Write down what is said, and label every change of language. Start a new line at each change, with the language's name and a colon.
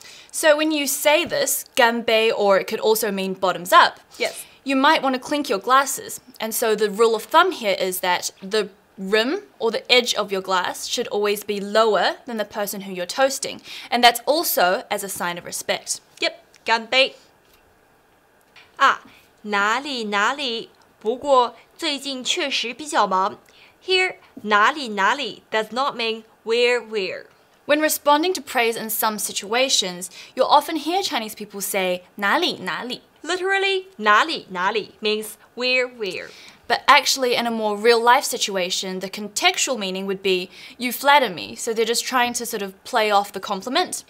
English: So when you say this, 干杯, or it could also mean bottoms up. Yes. You might want to clink your glasses. And so the rule of thumb here is that the rim or the edge of your glass should always be lower than the person who you're toasting. And that's also as a sign of respect. Yep, 干杯.
Chinese: Ah, 哪里哪里, 不过最近确实比较忙.
English: Here, 哪里哪里 does not mean where. When responding to praise in some situations, you'll often hear Chinese people say 哪里哪里. Literally, 哪里哪里 means where. But actually, in a more real-life situation, the contextual meaning would be you flatter me, so they're just trying to sort of play off the compliment.